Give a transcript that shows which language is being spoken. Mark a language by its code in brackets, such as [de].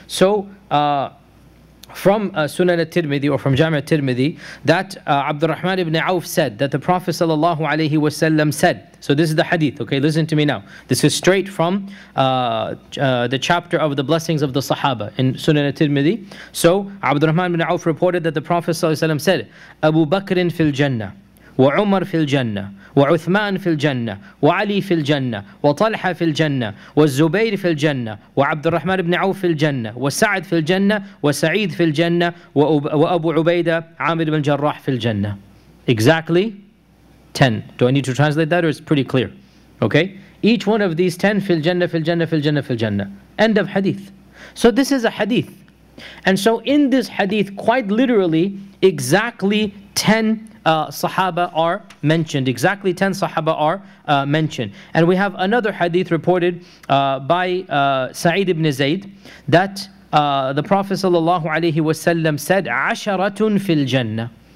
[en] So, from Sunan At-Tirmidhi or from Jam' At-Tirmidhi, that Abdurrahman ibn Auf said that the Prophet sallallahu alayhi wa sallam said, so this is the hadith, okay, listen to me now. This is straight from the chapter of the blessings of the Sahaba in Sunan At-Tirmidhi. So, Abdurrahman ibn Auf reported that the Prophet sallallahu alayhi wa sallam said, [ar] Abu Bakrin fil Jannah, wa Umar fil Jannah, وعثمان في الجنة وعلي في الجنة وطلحة في الجنة والزبير في الجنة وعبد الرحمن بن عوف في الجنة وسعد في الجنة وسعيد في الجنة وأبو عبيدة عامر بن جراح في الجنة. [en] Exactly 10. Do I need to translate that or it's pretty clear? Okay. Each one of these 10 [ar] في الجنة في الجنة [en] في الجنة في الجنة. End of hadith. So this is a hadith. And so in this hadith, quite literally, exactly 10 Sahaba are mentioned. Exactly 10 Sahaba are mentioned. And we have another hadith reported by Sa'id ibn Zayd that the Prophet sallallahu alayhi wa sallam said, [ar] Asharatun fil Jannah.